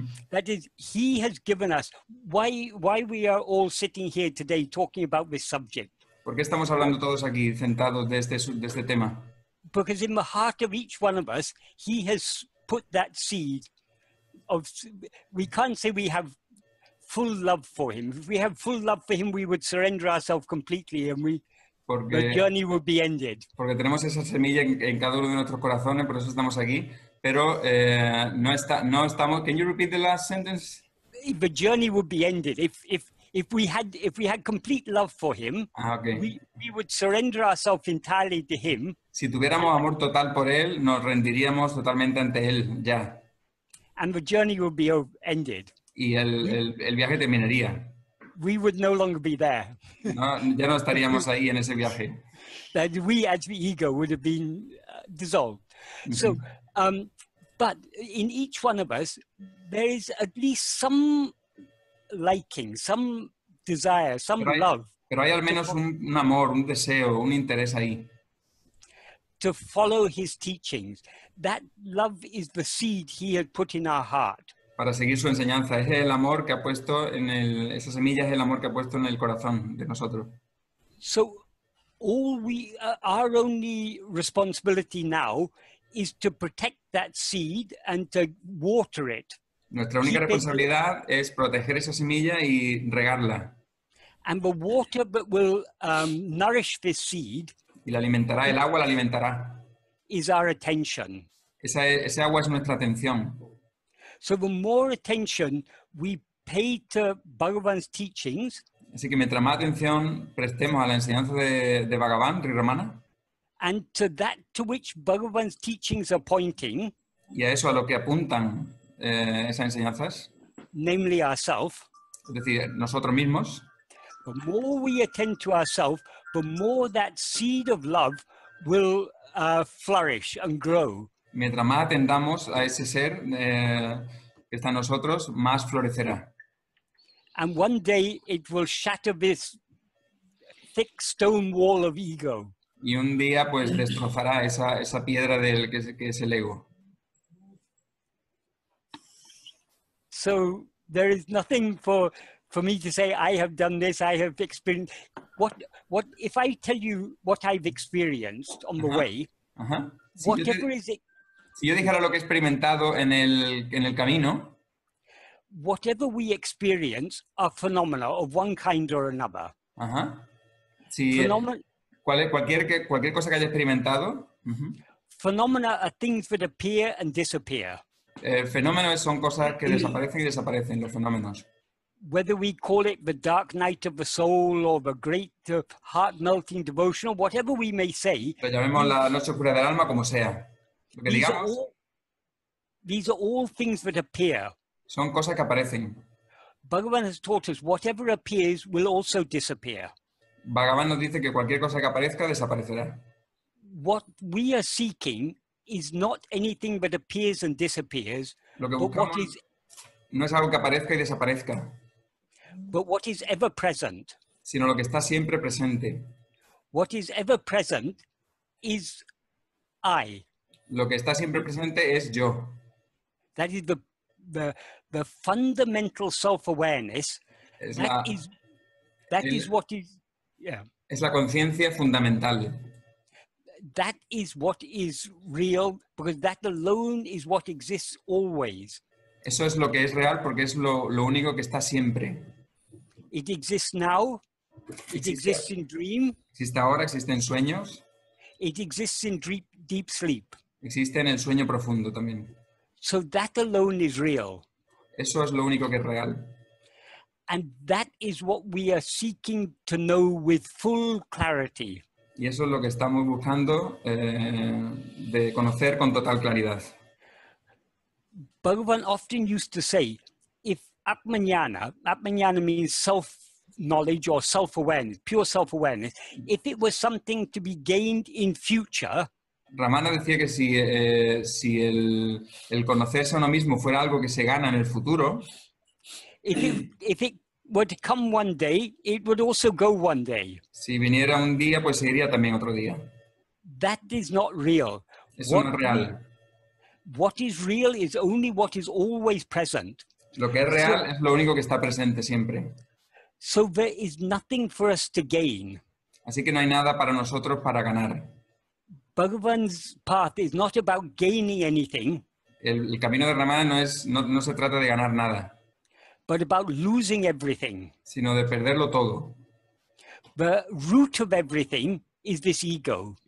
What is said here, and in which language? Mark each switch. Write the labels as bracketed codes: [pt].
[en] That is, he has given us, why we are all sitting here today talking about this subject. [es] ¿Por qué estamos hablando todos aquí sentados de este tema? [en] Because in the heart of each one of us, he has put that seed of, we can't say we have full love for him. If we have full love for him, we would surrender ourselves completely and the journey would be ended. [es] Porque tenemos esa semilla en cada uno de nuestros corazones, por eso estamos aquí. Pero no estamos. [en] Can you repeat the last sentence? The journey would be ended if we had complete love for him. We would surrender ourselves entirely to him. [es] Si tuviéramos amor total por él, nos rendiríamos totalmente ante él ya. [en] And the journey would be ended. [es] Y el viaje terminaría. [en] We would no longer be there. [es] Ya no estaríamos ahí en ese viaje. [en] That we as the ego would have been dissolved. So, but in each one of us, there is at least some liking, some desire, some love. [es] Pero hay al menos un amor, un deseo, un interés ahí. [en] To follow his teachings. That love is the seed he had put in our heart. [es] Para seguir su enseñanza. Es el amor que ha puesto en el... Esa semilla es el amor que ha puesto en el corazón de nosotros. [en] So, all we... our only responsibility now is to protect that seed and to water it. [es] Nuestra única responsabilidad es proteger esa semilla y regarla. [en] And the water that will nourish this seed... [es] Y la alimentará, el agua la alimentará. [en] Is our attention. [es] Ese agua es nuestra atención. [en] So the more attention we pay to Bhagavan's teachings, [es] así que mientras más atención prestemos a la enseñanza de Bhagavan, Sri Ramana, [en] and to that to which Bhagavan's teachings are pointing, [es] y a eso a lo que apuntan esas enseñanzas, [en] namely ourselves, [es] es decir, nosotros mismos, [en] the more we attend to ourselves, the more that seed of love will flourish and grow. [es] Mientras más atendamos a ese ser que está en nosotros, más florecerá. [en] And one day it will shatter this thick stone wall of ego. [es] Y un día pues destrozará esa piedra del que es el ego. [en] So there is nothing for me to say I have done this, I have experienced. What if I tell you what I've experienced on the way? Whatever is it. [es] Si yo dijera lo que he experimentado en el camino, [en] whatever we experience are phenomena of one kind or another. [es] Sí, cualquier cosa que haya experimentado. [en] Phenomena are things that appear and disappear. [es] Fenómenos son cosas que desaparecen y desaparecen, los fenómenos. [en] Whether we call it the dark night of the soul or the great heart-melting devotion or whatever we may say. [es] Lo llamemos la noche oscura del alma como sea. [en] These are all things that appear. [es] Son cosas que aparecen. [en] Bhagavan has taught us whatever appears will also disappear. [es] Bhagavan nos dice que cualquier cosa que aparezca desaparecerá. [en] What we are seeking is not anything but appears and disappears. [es] Lo que buscamos [en] but what is, [es] no es algo que aparezca y desaparezca. [en] But what is ever present. [es] Sino lo que está siempre presente. [en] What is ever present is I. [es] Lo que está siempre presente es yo. [en] That is the fundamental self-awareness. [es] Es la conciencia fundamental. [en] That is what is real, because that alone is what exists always. [es] Eso es lo que es real porque es lo único que está siempre. [en] It exists now. It exists in dream. [es] Existe ahora, existe en sueños. [en] It exists in deep sleep. [es] Existe en el sueño profundo también. [en] So that alone is real. [es] Eso es lo único que es real. [en] And that is what we are seeking to know with full clarity. [es] Y eso es lo que estamos buscando de conocer con total claridad. [en] Bhagavan often used to say, if atmanyana, atmanyana means self-knowledge or self-awareness, pure self-awareness, if it was something to be gained in future, [es] Ramana decía que si el conocerse a uno mismo fuera algo que se gana en el futuro, [en] if it were to come one day, it would also go one day. [es] Si viniera un día, pues se iría también otro día. [en] That is not real. [es] Eso no es real. [en] What is real is only what is always present. [es] Lo que es real es lo único que está presente siempre. [en] So there is nothing for us to gain. [es] Así que no hay nada para nosotros para ganar. [en] Bhagavan's path is not about gaining anything. [es] El camino de Ramana no se trata de ganar nada. [en] But about losing everything. [es] Sino de perderlo todo. [en] The root of everything is this ego.